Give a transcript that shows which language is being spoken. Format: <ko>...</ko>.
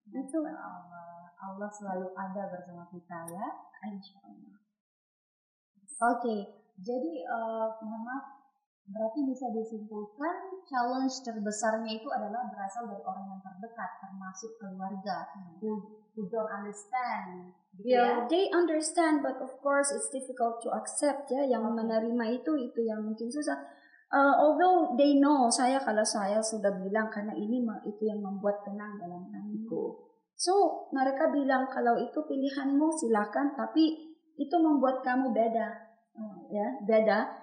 <id>Itu Allah selalu ada bersama kita, ya. Insyaallah. Okay. Jadi maaf, berarti bisa disimpulkan challenge terbesarnya itu adalah berasal dari orang yang terdekat, termasuk keluarga.</id> <en>Who don't understand. Yeah, yeah, they understand, but of course it's difficult to accept, ya.</en> <id>Yang menerima itu yang mungkin susah.</id> <en>Although they know,</en> <id>saya sudah bilang karena ini itu yang membuat tenang dalam hatiku. So mereka bilang kalau itu pilihanmu silakan, tapi itu membuat kamu beda, ya, beda.</id>